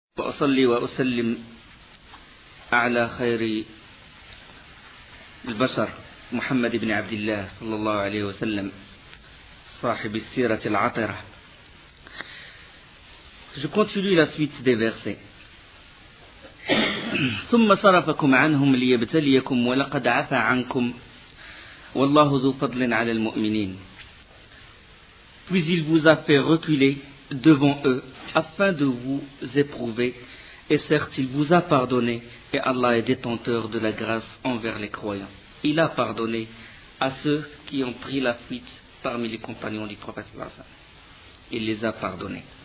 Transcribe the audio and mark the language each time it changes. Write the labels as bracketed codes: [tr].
[ar] وأصلي وأسلم أعلى خير البشر محمد بن عبد الله صلى الله عليه وسلم صاحب السيرة العطرة. [fr] Je continue la suite des versets. [ar] ثم صرفكم عنهم ليبتليكم ولقد عفا عنكم والله ذو فضل على المؤمنين. [fr] Puis il vous a fait reculer devant eux afin de vous éprouver, et certes il vous a pardonné, et Allah est détenteur de la grâce envers les croyants. Il a pardonné à ceux qui ont pris la fuite parmi les compagnons du prophète Lassan. Il les a pardonnés.